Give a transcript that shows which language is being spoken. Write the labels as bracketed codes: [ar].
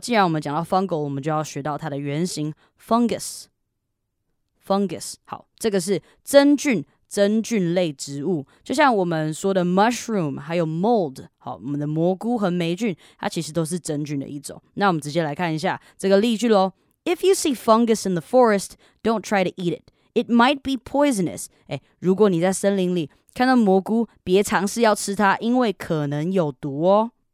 [zh] 既然我们讲到 fungal， 我们就要学到它的原型 fungus。 fungus， 好，这个是真菌。真菌类植物，就像我们说的 mushroom， 还有 mold， 好，我们的蘑菇和霉菌，它其实都是真菌的一种。那我们直接来看一下这个例句咯。 [en] If you see fungus in the forest, don't try to eat it. It might be poisonous. [zh] 哎，如果你在森林里看到蘑菇，别尝试要吃它，因为可能有毒哦。